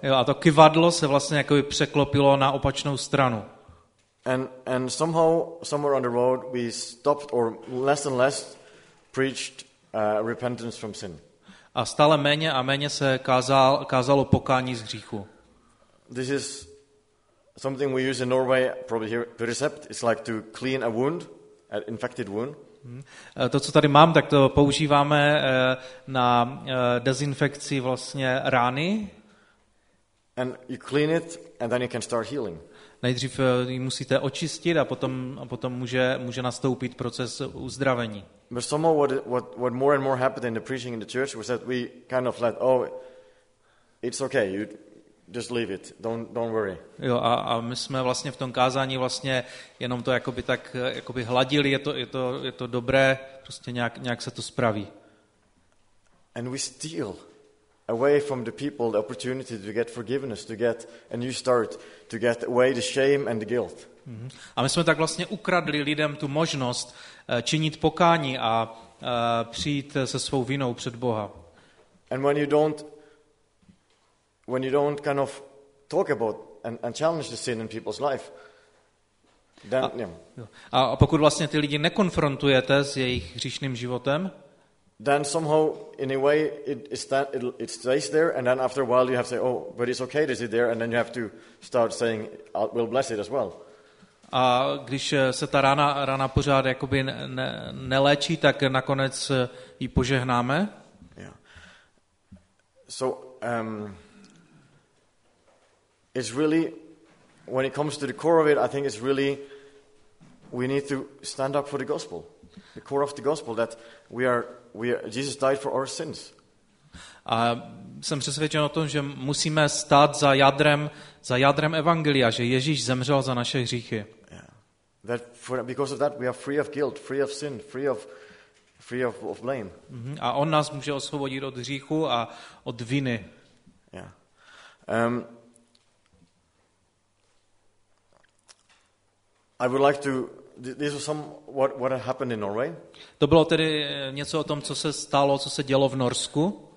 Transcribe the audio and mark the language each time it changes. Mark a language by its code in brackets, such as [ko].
[cs] Jo, a to kivadlo se vlastně jakoby překlopilo na opačnou stranu. [en] And somehow somewhere on the road we stopped or less and less preached repentance from sin. [cs] A stále méně a méně se kázalo pokání z hříchu. [en] This is something we use in Norway probably here Percept. It's like to clean a wound, an infected wound. [cs] To, co tady mám, tak to používáme na dezinfekci vlastně rány. [en] And you clean it and then you can start healing. [cs] Nejdřív ji musíte očistit a potom může nastoupit proces uzdravení. [en] But somehow what more and more happened in the preaching in the church was that we kind of let it's okay, you just leave it. Don't worry. [cs] Jo, a my jsme vlastně v tom kázání vlastně jenom to jakoby tak jakoby hladili, je to dobré, prostě nějak se to spraví. [en] And we steal away from the people the opportunity to get forgiveness, to get a new start, to get away the shame and the guilt. [cs] A my jsme tak vlastně ukradli lidem tu možnost činit pokání a přijít se svou vinou před Boha. [en] And when you don't kind of talk about and challenge the sin in people's life, then [cs] a pokud vlastně ty lidi nekonfrontujete s jejich hříšným životem, [en] then somehow in a way it stays there and then after a while you have to say but it's okay to sit there and then you have to start saying we'll bless it as well. [cs] A když se ta rana pořád jakoby neléčí, tak nakonec ji požehnáme. [en] Yeah. So it's really, when it comes to the core of it, I think it's really, we need to stand up for the gospel, the core of the gospel, that we are Jesus died for our sins. [cs] A jsem přesvědčen o tom, že musíme stát za jádrem Evangelia, že Ježíš zemřel za naše hříchy. [en] Yeah. That for, because of that we are free of guilt, free of sin, free of blame. [cs] A on nás může osvobodit od hříchu a od viny. [en] Yeah. I would like to. This was some what happened in Norway. [cs] To bylo tedy něco o tom, co se stalo, co se dělo v Norsku.